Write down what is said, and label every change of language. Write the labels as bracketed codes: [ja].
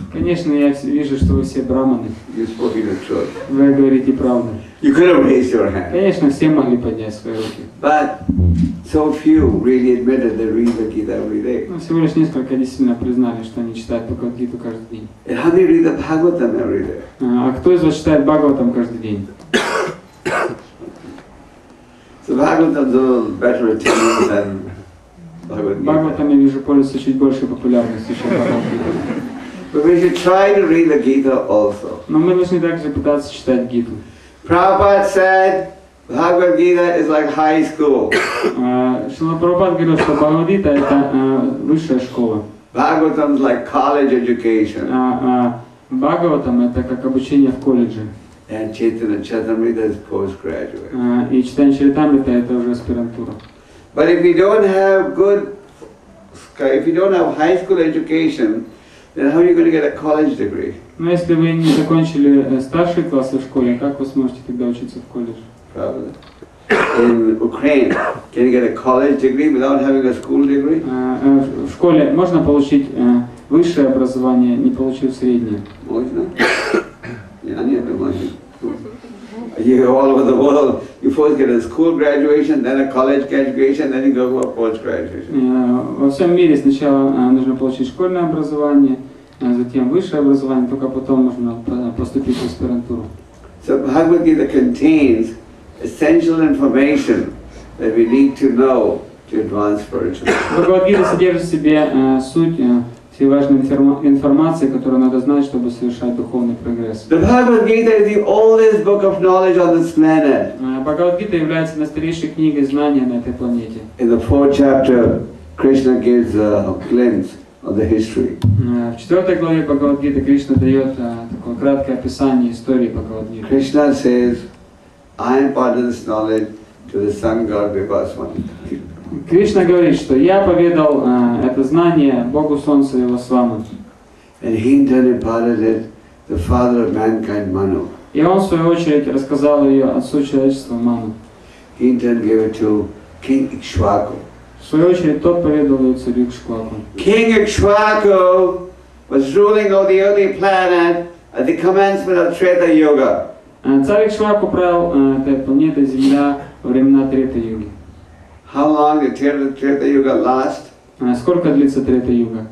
[ru] Конечно, я вижу, что вы все брахманы. [en] You spoke the truth. [ru] Вы говорите правду. [en] You could have raised your hand. [ru] Конечно, все могли поднять свои руки. [en] But so few really admitted they read the Gita every day. [ru] Но всего лишь несколько действительно признали, что они читают Бхагавад Гиту каждый день. [en] And how do you read the Bhagavatam every day? [ru] А кто из вас читает Бхагаватам каждый день? [en] So Bhagavatam is a little better attended than [ru] Бхагаватам, я вижу, пользуется чуть большей популярностью, чем Бхагавад-гита. Но мы должны также пытаться читать Гиту. [en] Прабхупада said, Бхагавад-гита is like high school. [ru] Шрила Прабхупада говорил, что Бхагавад-гита — это высшая школа. [en] Бхагаватам is like college education. [ru] Бхагаватам — это как обучение в колледже. [en] And Chaitanya Charitamrita is postgraduate. [ru] И Чайтанья Чаритамрита — это уже аспирантура. [en] But if you don't have good, if you don't have high school education, then how are you going to get a college degree? [ru] Но если вы не закончили старшие классы в школе, как вы сможете тогда учиться в колледже? Правда. [en] In Ukraine, can you get a college degree without having a school degree? [ru] В школе можно получить высшее образование, не получив среднее. Можно? Я не думаю. [en] You all over the world. You first get a school graduation, then a college graduation, then you go for a post-graduation. [ru] Во всем мире сначала нужно получить школьное образование, затем высшее образование, только потом можно поступить в аспирантуру. [en] So Bhagavad Gita contains essential information that we need to know to advance spiritually. [ru] Bhagavad Gita содержит в себе суть всей важной информации, которую надо знать, чтобы совершать духовный прогресс. [en] The Bhagavad Gita is the oldest book of knowledge on this planet. [ru] Бхагавад Гита является настоящей книгой знания на этой планете. [en] In the fourth chapter, Krishna gives a glimpse of the history. [ru] В четвертой главе Бхагавад Гиты Кришна дает такое краткое описание истории Бхагавад Гиты. [en] Krishna says, I impart this knowledge to the Sangha Vibhasvani. [ru] Кришна говорит, что я поведал это знание Богу Солнцу и его Свами. [en] And he in turn imparted it to the father of mankind, Manu. [ru] И он, в свою очередь, рассказал ее отцу человечества, Ману. [en] He in turn gave it to King Ikshvaku. [ru] В свою очередь, тот поведал ее царю Икшваку. [en] King Ikshvaku was ruling over the early planet at the commencement of Treta Yuga. [ru] Царь Икшваку правил этой планетой Земля во времена Трета Юги. [en] How long did Treta Yuga last? [ru] Сколько длится трета юга?